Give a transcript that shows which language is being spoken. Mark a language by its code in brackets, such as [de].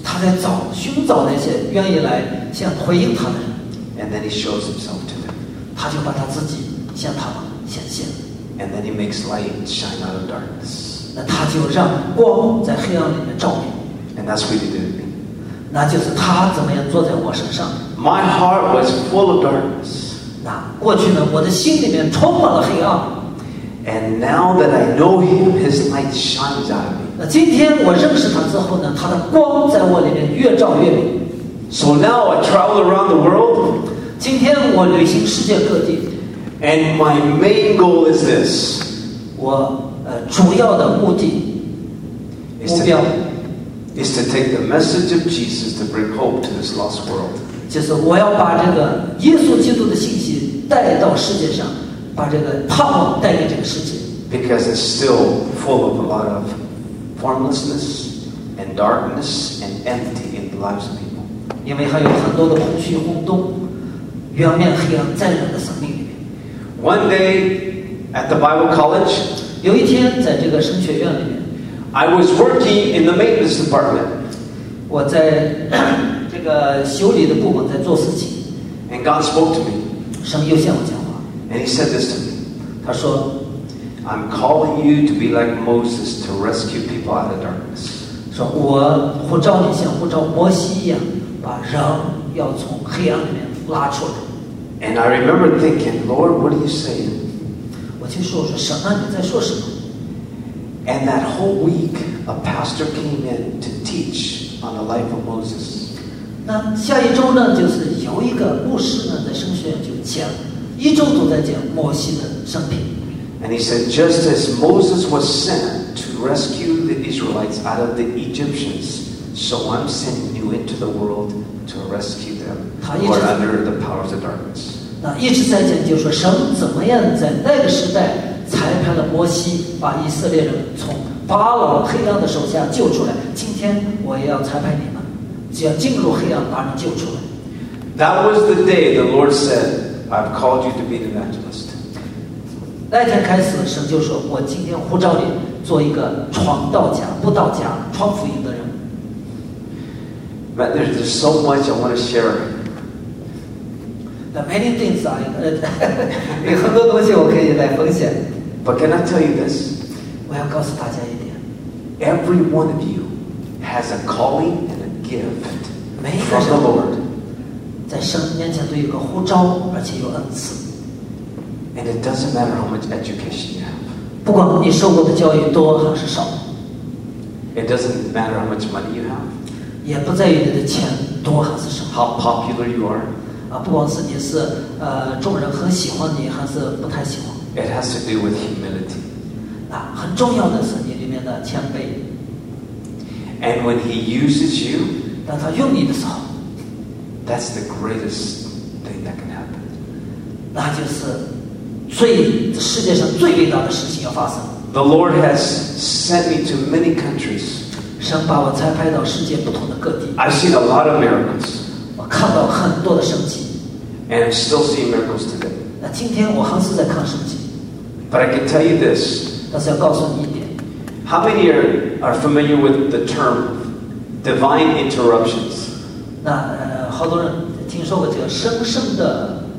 [zh] 他在找寻找那些愿意来向回应他的人。 [en] And then he shows himself to them. [zh] 他就把他自己向他们显现。 [en] And then he makes light shine out of darkness. [zh] 那他就让光在黑暗里面照明。 [en] And that's what he did to me. [zh] 那就是他怎么样坐在我身上。 [en] My heart was full of darkness. [zh] 那过去呢，我的心里面充满了黑暗。 [en] And now that I know him, his light shines out of me. [zh] 那今天我认识他之后呢，他的光在我里面越照越明。 [en] So now I travel around the world. [zh] 今天我旅行世界各地。 [en] And my main goal is this. [zh] 我主要的目的目标 [en] is to take the message of Jesus to bring hope to this lost world. [zh] 就是我要把这个耶稣基督的信息带到世界上，把这个盼望带给这个世界。 [en] Because it's still full of a lot of. Formlessness and darkness and empty in the lives of people. [zh] 因为还有很多的空虚空洞，渊面黑暗在人的生命里面。 [en] One day at the Bible College, [zh] 有一天在这个神学院里面 [en] ，I was working in the maintenance department. [zh] 我在这个修理的部门在做事情。 [en] And God spoke to me. [zh] 神又向我讲话。 [en] And He said this to me. [zh] 他说。 [en] I'm calling you to be like Moses to rescue people out of darkness. [zh] 说我呼召你像呼召摩西一样，把人要从黑暗里面拉出来。 [en] And I remember thinking, Lord, what are you saying? [zh] 我听说说神啊，你在说什么 [en] ？And that whole week, a pastor came in to teach on the life of Moses. [zh] 那下一周呢，就是有一个牧师呢，在神学院就讲，一周都在讲摩西的生平。 [en] And he said, just as Moses was sent to rescue the Israelites out of the Egyptians, so I'm sending you into the world to rescue them who are under the powers of darkness. [zh] 那一直在讲，就是说神怎么样在那个时代裁判了摩西，把以色列人从巴老黑暗的手下救出来。今天我也要裁判你们，只要进入黑暗，把你救出来。 [en] That was the day the Lord said, I've called you to be an evangelist. [zh] 那天开始，神就说：“我今天呼召你做一个传道家、布道家、传福音的人。” [en] But there's just so much I want to share. The many things I [zh] 有很多东西我可以来分享。 [en] But can I tell you this? [zh] 我要告诉大家一点。 [en] Every one of you has a calling and a gift. [zh] 每一个人在神面前都有个呼召，而且有恩赐。 [en] And it doesn't matter how much education you have. [zh] 不管你受过的教育多还是少。 [en] It doesn't matter how much money you have. [zh] 也不在于你的钱多还是少。 [en] How popular you are. [zh] 不管是你是众人很喜欢你还是不太喜欢。 [en] It has to do with humility. [zh] 那很重要的是你里面的谦卑。 [en] And when he uses you, [zh] 当他用你的时候 [en] that's the greatest thing that can happen. [zh] 那就是。最这世界上最伟大的事情要发生。 [en] The Lord has sent me to many countries. [zh] 神把我差派到世界不同的各地。 [en] I've seen a lot of miracles. [zh] 我看到很多的神迹。 [en] And I'm still seeing miracles today. [zh] 那今天我还是在看神迹。 [en] But I can tell you this. [zh] 但是要告诉你一点。 [en] How many are familiar with the term divine interruptions? [zh] 那好多人听说过这个神圣的。